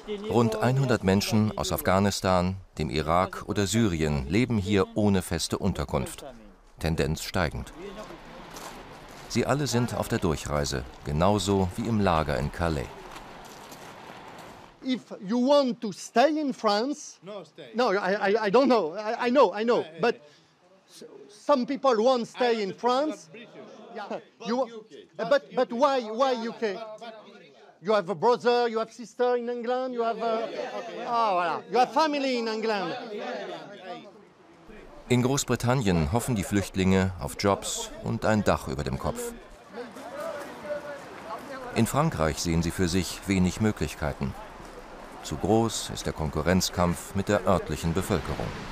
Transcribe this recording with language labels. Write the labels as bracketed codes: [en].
[de] Rund 100 Menschen aus Afghanistan, dem Irak oder Syrien leben hier ohne feste Unterkunft. Tendenz steigend. Sie alle sind auf der Durchreise, genauso wie im Lager in Calais. [en] If you want to stay in France, no, I don't know. I know. But some people want to stay in France. You, but why UK? You have a brother, you have sister in England, you have a, oh, voilà. You have family in England. [de] In Großbritannien hoffen die Flüchtlinge auf Jobs und ein Dach über dem Kopf. In Frankreich sehen sie für sich wenig Möglichkeiten. Zu groß ist der Konkurrenzkampf mit der örtlichen Bevölkerung.